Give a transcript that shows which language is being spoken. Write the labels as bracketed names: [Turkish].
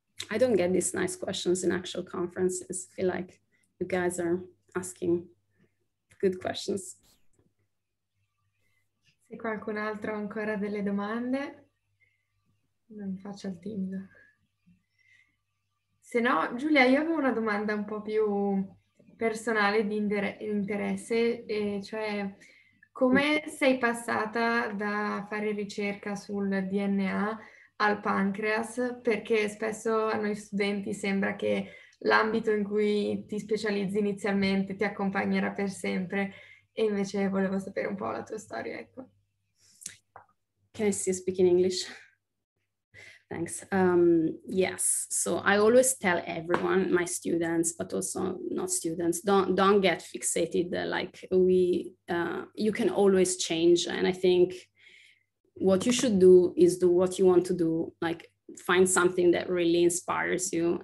[English] I don't get these nice questions in actual conferences. I feel like you guys are asking good questions. [Italian] Se qualcun altro ha ancora delle domande, non faccio il timido. Se no, Giulia, io avevo una domanda un po' più personale di interesse, e cioè come sei passata da fare ricerca sul DNA al pancreas, perché spesso a noi studenti sembra che l'ambito in cui ti specializzi inizialmente ti accompagnerà per sempre, e invece volevo sapere un po' la tua storia, ecco. [English] Can I still speak in English? Thanks. Yes, so I always tell everyone, my students, but also not students, don't get fixated. Like you can always change, and I think what you should do is do what you want to do, like find something that really inspires you.